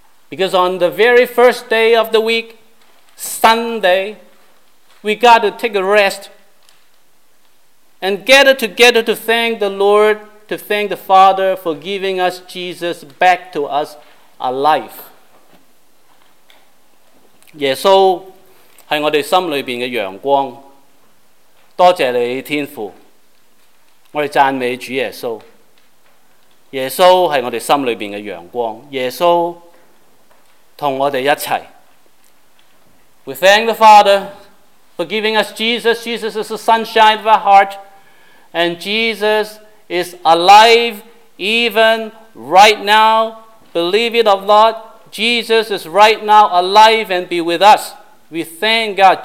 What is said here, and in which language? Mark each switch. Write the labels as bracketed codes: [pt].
[en] Because on the very first day of the week, Sunday, we got to take a rest and gather together to thank the Lord, to thank the Father for giving us Jesus back to us alive. [zh] Jesus 是我们心里面的阳光， 多谢你天父， 我们赞美主耶稣。耶稣 是我们心里面的阳光， 耶稣 同我们一起。 [en] We thank the Father for giving us Jesus. Jesus is the sunshine of our heart, and Jesus is alive even right now. Believe it or not, Jesus is right now alive and be with us. We thank God.